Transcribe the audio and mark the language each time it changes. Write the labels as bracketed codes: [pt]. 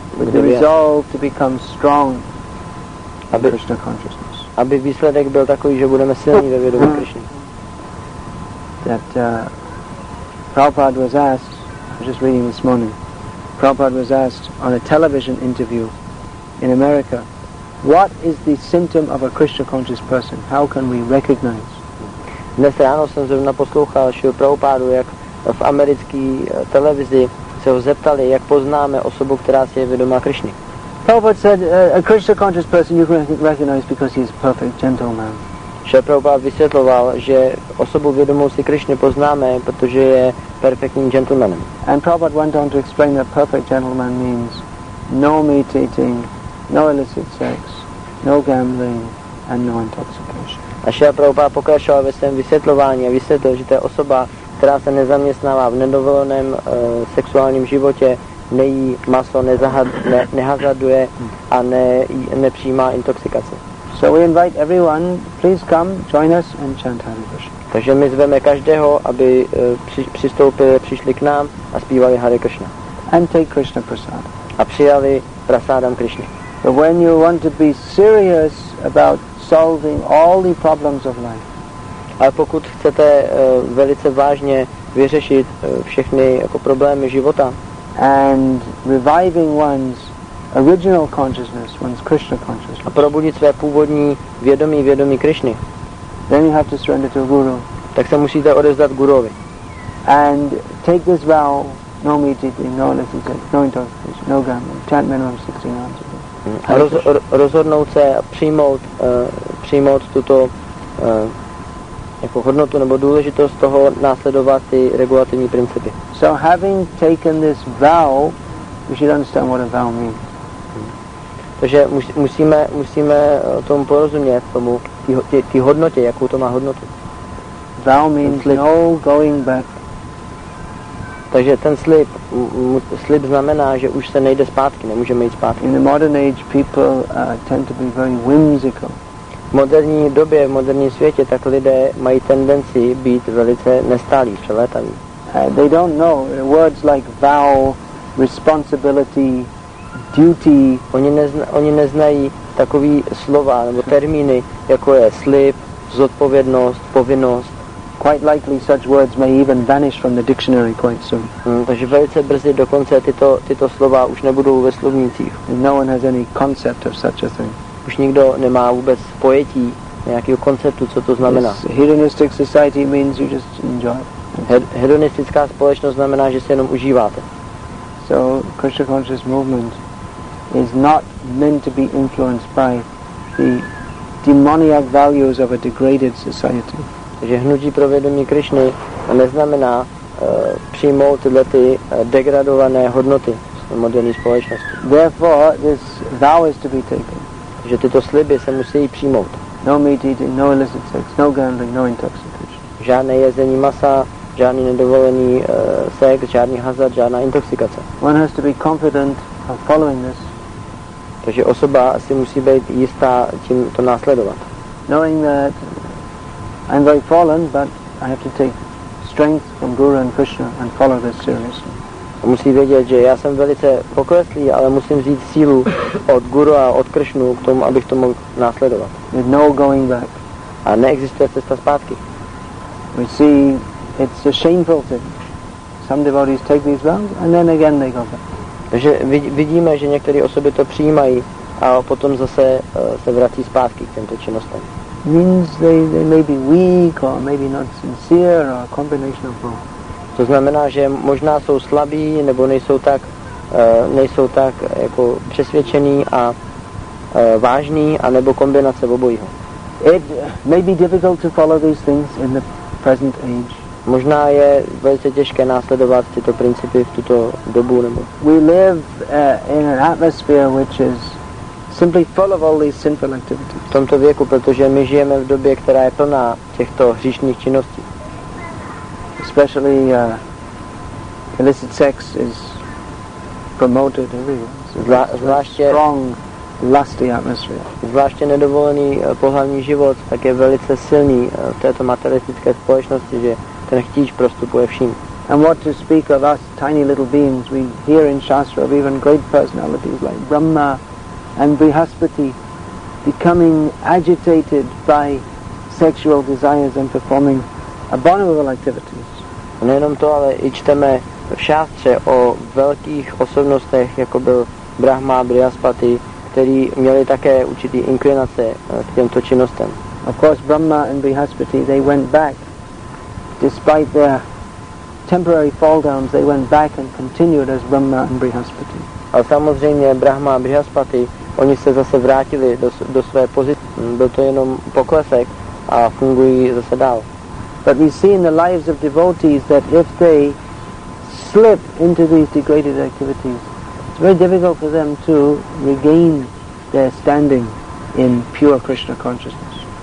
[en] With the resolve to become strong. Krishna consciousness. [cs] Aby výsledek byl takový, že budeme silní ve vědomí Krishny. [en] That Prabhupada was asked, I was just reading this morning, Prabhupada was asked on a television interview in America, what is the symptom of a Krishna conscious person? How can we recognize? [cs] Dnes ráno jsem zrovna poslouchal Šrila Prabhupádu, jak v americké televizi se ho zeptali, jak poznáme osobu, která si je vědomá Krishny. [en] Prabhupada said, a Krishna conscious person you can recognize because he is a perfect gentleman. [cs] Šrila Prabhupada vysvětloval, že osobu vědomou si Krishny poznáme, protože je perfektním gentlemanem. [en] And Prabhupada went on to explain that perfect gentleman means no meat eating, no illicit sex, no gambling and no intoxication. [cs] A Šrila Prabhupada pokračoval ve svém vysvětlování a vysvětlil, že to je osoba, která se nezaměstnává v nedovoleném sexuálním životě, nejí maso, nehazarduje a nepřijímá intoxikace. [en] So we invite everyone, please come, join us and chant Hare Krishna. [cs] Takže my zveme každého, aby přišli k nám a zpívali Hare Krishna. [en] And take Krishna prasad. [cs] A přijali prasádam Krishna. [en] But when you want to be serious about solving all the problems of life. [cs] Ale pokud chcete velice vážně vyřešit všechny jako problémy života [en] and reviving one's original consciousness, one's Krishna consciousness, [cs] a probudit své původní vědomí Krishny, [en] then you have to surrender to Guru. [cs] Tak se musíte odevzdat Guruovi. [en] And take this vow, no meat eating, no illicit sex, no intoxication, no gambling, chant minimum 16 hours. [cs] A rozhodnout se přijmout tuto jako hodnotu nebo důležitost toho následovat ty regulativní principy. [en] So having taken this vow, we should understand what a vow means. [cs] Takže musíme tomu porozumět, tomu ty hodnotě, jakou to má hodnotu. [en] Vow means no going back. [cs] Takže ten slib znamená, že už se nejde zpátky, nemůžeme jít zpátky. [en] In the modern age people tend to be very whimsical. [cs] V moderní době, v moderním světě, tak lidé mají tendenci být velice nestálí, přelétaví. [en] They don't know words like vow, responsibility, duty. [cs] Oni neznají takový slova nebo termíny, jako je slib, zodpovědnost, povinnost. [en] Quite likely such words may even vanish from the dictionary quite soon. [cs] Takže velice brzy dokonce tyto slova už nebudou ve slovnících. [en] And no one has any concept of such a thing. [cs] Už nikdo nemá vůbec pojetí nějakého konceptu, co to znamená. [en] This hedonistic society means you just enjoy. [cs] Hedonistická společnost znamená, že se jenom užíváte. [en] So Krishna conscious movement is not meant to be influenced by the demoniac values of a degraded society. [cs] Takže hnutí pro vědomí Krishny neznamená přijmout tyhle degradované hodnoty moderní společnosti. [en] Therefore this vow is to be taken. [cs] Že tyto sliby se musí přijmout. [en] No meat eating, no illicit sex, no gambling, no intoxication. [cs] Žádné jezení masa, žádný nedovolený sex, žádný hazard, žádná intoxikace. [en] One has to be confident of following this. [cs] Takže osoba si musí být jistá tím to následovat. [en] Knowing that I'm very fallen, but I have to take strength from Guru and Krishna and follow this seriously. [cs] Musí vědět, že já jsem velice pokleslý, ale musím vzít sílu od Guru a od Krishnu k tomu, abych to mohl následovat. [en] With no going back. [cs] a neexistuje cesta zpátky. [en] We see it's a shameful thing. Some devotees take these vows and then again they go back. [cs] Takže vidíme, že některé osoby to přijímají a potom zase se vrací zpátky k těmto činnostem. [en] Means they may be weak or maybe not sincere or a combination of both. [cs] To znamená, že možná jsou slabí nebo nejsou tak jako přesvědčení a vážní, a nebo kombinace obojího. [en] It may be difficult to follow these things in the present age. [cs] Možná je velice těžké následovat tyto principy v tuto dobu nebo. [en] We live in an atmosphere which is simply full of all these sinful activities. [cs] V tomto věku, protože my žijeme v době, která je plná těchto hříšných činností. [en] Especially illicit sex is promoted everywhere. Strong lusty atmosphere. [cs] Zvláště nedovolený pohlavní život tak je velice silný v této materialistické společnosti, že ten chtíč prostupuje vším. [en] And what to speak of us tiny little beings, we hear in Shastra of even great personalities like Brahma and Brihaspati becoming agitated by sexual desires and performing abominable activities. [cs] A nejenom to, ale i čteme v Šástře o velkých osobnostech, jako byl Brahma, Brihaspati, který měli také určitý inklinace k těmto činnostem. [en] Of course, Brahma and Brihaspati, they went back. Despite their temporary fall downs, they went back and continued as Brahma and Brihaspati. [cs] A samozřejmě Brahma a Brihaspati, oni se zase vrátili do své pozice. Byl to jenom poklesek a fungují zase dál. [en] But we see in the lives of devotees that if they slip into these degraded activities, it's very difficult for them to regain their standing in pure Krishna consciousness.